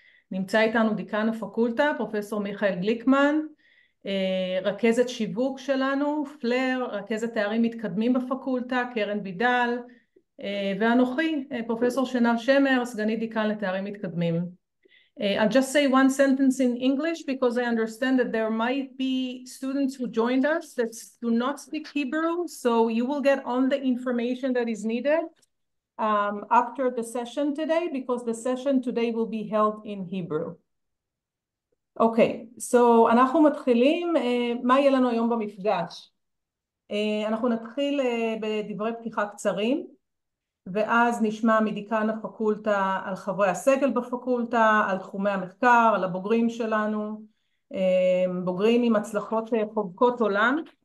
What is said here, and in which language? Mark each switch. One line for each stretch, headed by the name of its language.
Hebrew: נמצא איתנו דיקן הפקולטה, פרופסור מיכאל גליקמן, רכזת שיווק שלנו, פלר, רכזת תארים מתקדמים בפקולטה, קרן בידל, ואנוכי, פרופסור שנב שמר, סגנית דיקן לתארים מתקדמים.
English: I'll just say one sentence in English because I understand that there might be students who joined us that do not speak Hebrew, so you will get all the information that is needed after the session today, because the session today will be held in Hebrew.
Hebrew: אוקיי, so אנחנו מתחילים, מה יהיה לנו היום במפגש? אנחנו נתחיל בדברי פתיחה קצרים, ואז נשמע מדיקן הפקולטה על חברי הסגל בפקולטה, על תחומי המחקר, על הבוגרים שלנו, בוגרים עם הצלחות חובקות עולם.